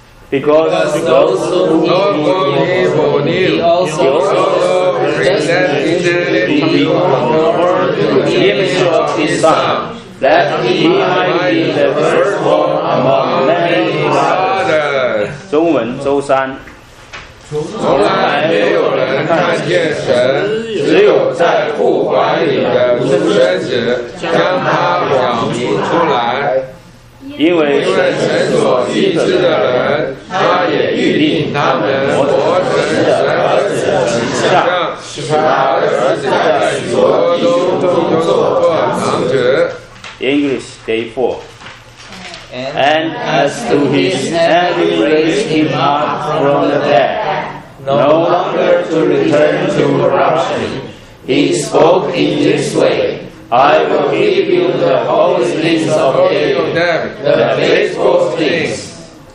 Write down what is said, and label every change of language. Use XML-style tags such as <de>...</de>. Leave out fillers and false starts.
<en>Because those who believe in Him, He also predestined to be conformed to the image of His Son, that He might be the firstborn among many brothers.</en> <zh>中文周三从来没有人看见神，只有在父怀里的独生子将他表明出来。因为神所立志的人，他也预定他们活成神儿子的形象，使他的儿子在所有中做断长子。</zh> <en>English Day 4 And as to his having raised him up from the dead, no longer to return to corruption, he spoke in this way, I will give you the holy things of David, the faithful things,</en>